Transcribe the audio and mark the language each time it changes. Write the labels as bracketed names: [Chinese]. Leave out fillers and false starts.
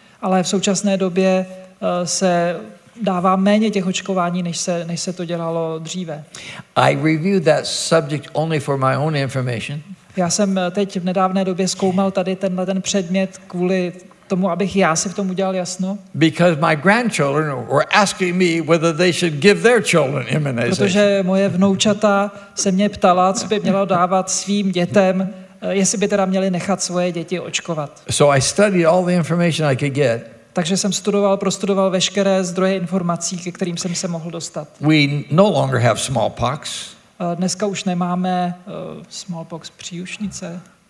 [Czech] Ale v současné době se dává méně těch očkování, než se to dělalo dříve. [English] I reviewed that subject only for my own information. [Czech] Já jsem teď v nedávné době zkoumal tady ten předmět kvůli tomu, abych já si v tom udělal jasno. [English] Because my grandchildren were asking me whether they should give their children immunization. [Czech] Protože moje vnoučata se mě ptala, co by mělo dávat svým dětem, jestli by teda měli nechat svoje děti očkovat. [English] So I studied all the information I could get. [Czech] Takže jsem prostudoval veškeré zdroje informací, ke kterým jsem se mohl dostat. [English] We no longer have smallpox. [Czech] Dneska už nemáme smallpox příušnice.